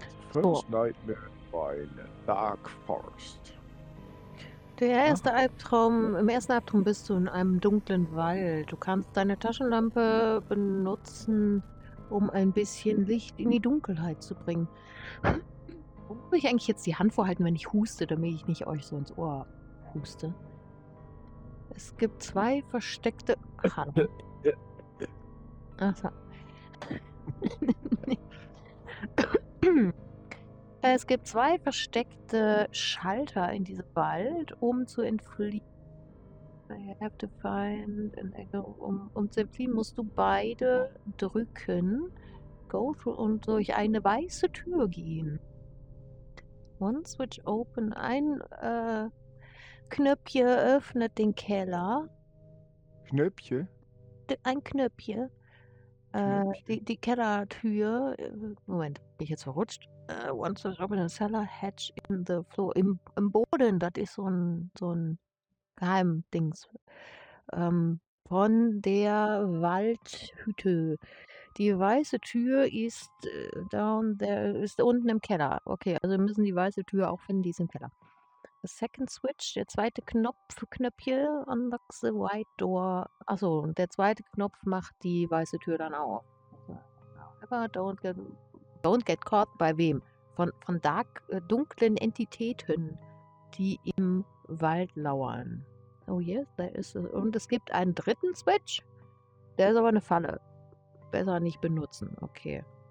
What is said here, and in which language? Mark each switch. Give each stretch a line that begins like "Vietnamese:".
English: First nightmare by the dark forest.
German: Der erste Albtraum, im ersten Albtraum bist du in einem dunklen Wald. Du kannst deine Taschenlampe benutzen, um ein bisschen Licht in die Dunkelheit zu bringen. Wo muss ich eigentlich jetzt die Hand vorhalten, wenn ich huste, damit ich nicht euch so ins Ohr huste? Es gibt zwei versteckte... Ach so. es gibt zwei versteckte Schalter in diesem Wald, um zu entfliehen.
English: I have to find an echo.
German: Um zu entfliehen, musst du beide drücken.
English: Go through
German: und durch eine weiße Tür gehen.
English: One switch open.
German: Ein Knöpfchen öffnet den Keller. Knöpfchen? Ein Knöpfchen. Die Kellertür. Moment, bin ich jetzt verrutscht?
English: One switch open. A cellar hatch in the floor.
German: Im Boden, das ist so ein Geheimdings. Von der Waldhütte. Die weiße Tür ist
English: down there,
German: ist unten im Keller. Okay, also wir müssen die weiße Tür auch finden, die ist im Keller.
English: The second switch,
German: der zweite Knöpfchen,
English: unlocks the white door.
German: Achso, der zweite Knopf macht die weiße Tür dann auch.
English: However, don't get caught
German: bei wem? Von dark, dunklen Entitäten, die im Wald lauern.
English: Oh yes,
German: da ist es. Und es gibt einen dritten Switch. Der ist aber eine Falle. Besser nicht benutzen. Okay.